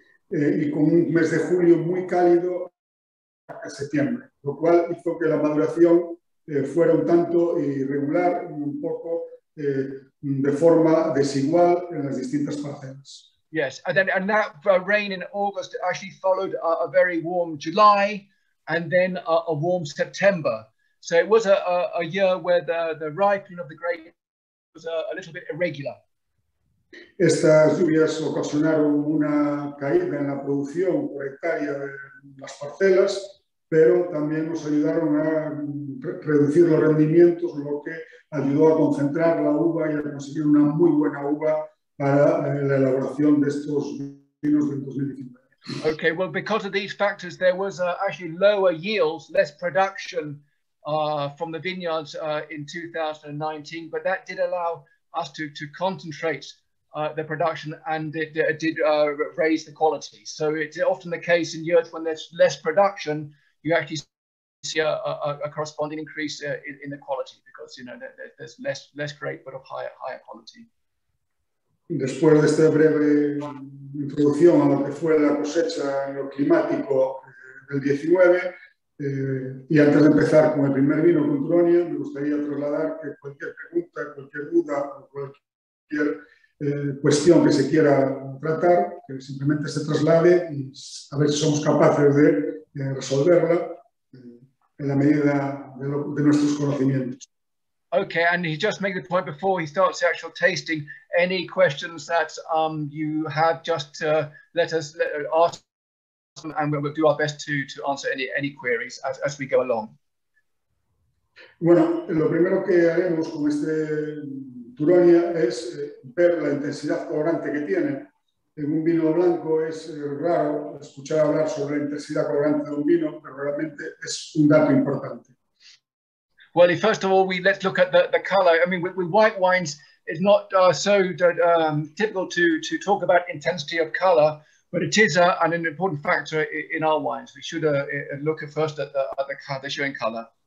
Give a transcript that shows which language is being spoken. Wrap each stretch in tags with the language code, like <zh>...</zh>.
<es>Y con un mes de julio muy cálido a septiembre, lo cual hizo que la maduración fuera un tanto irregular y un poco de forma desigual en las distintas parcelas.</es> <en>Yes, and that rain in August actually followed a very warm July and then a warm September. So it was a year where the ripening of the grape was a little bit irregular.</en> <es>Estas lluvias ocasionaron una caída en la producción por hectárea de las parcelas, pero también nos ayudaron a reducir los rendimientos, lo que ayudó a concentrar la uva y a conseguir una muy buena uva para la elaboración de estos vinos del 2015.</es> <en>Okay, well, because of these factors, there was actually lower yields, less production from the vineyards in 2019, but that did allow us to concentrate the production, and it did raise the quality. So it's often the case in years when there's less production, you actually see a corresponding increase in the quality, because you know there's less grape but of higher quality.</en> <es>Después de esta breve introducción a lo que fue la cosecha en lo climático del 19, y antes de empezar con el primer vino con Turonia, me gustaría trasladar que cualquier pregunta, cualquier duda o cualquier cuestión que se quiera tratar, que simplemente se traslade y a ver si somos capaces de resolverla en la medida de nuestros conocimientos.</es> <en>Okay, and he just made the point before he starts the actual tasting. Any questions that you have, just let us ask, and we'll do our best to answer any queries as we go along.</en> <es>Bueno, lo primero que haremos con este Turonia es ver la intensidad colorante que tiene. En un vino blanco es raro escuchar hablar sobre la intensidad colorante de un vino, pero realmente es un dato importante.</es> <en>Well, first of all, let's look at the color. I mean, with white wines, it's not so typical to talk about intensity of color, but it is an important factor in our wines. We should look first at the showing color.</en>